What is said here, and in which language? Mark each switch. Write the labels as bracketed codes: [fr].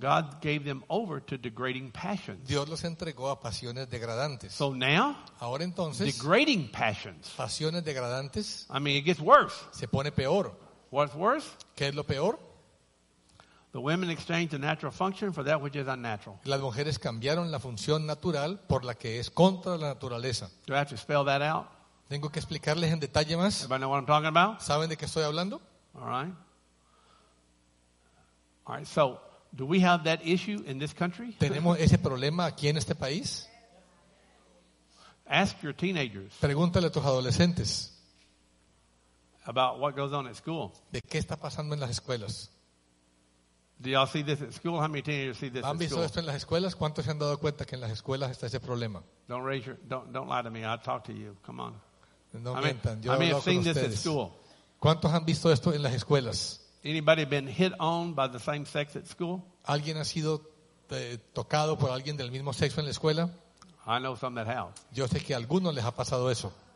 [en] God gave them over to degrading passions. [es] Dios los entregó a pasiones degradantes. [en] So now, [es] ahora entonces, [en] degrading passions. [es] Pasiones degradantes. [en] I mean, it gets worse. [es] Se pone peor. [en] What's worse? [es] ¿Qué es lo peor? [en] The women exchanged the natural function for that which is unnatural. [es] Las mujeres cambiaron la función natural por la que es contra la naturaleza. [en] Do I have to spell that out? [es] Tengo que explicarles en detalle más. [en] Everybody know what I'm talking about? [es] ¿Saben de qué estoy hablando? [en] All right. So, do we have that issue in this country? [es] ¿Tenemos ese problema aquí en este país? [en] Ask your teenagers. [es] Pregúntale a tus adolescentes. [en] About what goes on at school. [es] ¿De qué está pasando en las escuelas? [en] Do y'all see this at school? How many teenagers see this at school? [es] ¿Han visto esto en las escuelas? ¿Cuántos se han dado cuenta que en las escuelas está ese problema? [en] Don't lie to me. I'll talk to you. Come on. [es] No mientan. Yo he hablado con ustedes. ¿Cuántos han visto esto en las escuelas? [en] Anybody been hit on by the same sex at school? [es] ¿Alguien ha sido tocado por alguien del mismo sexo en la escuela? [en] I know some that have. [es] Yo sé que a algunos les ha pasado eso.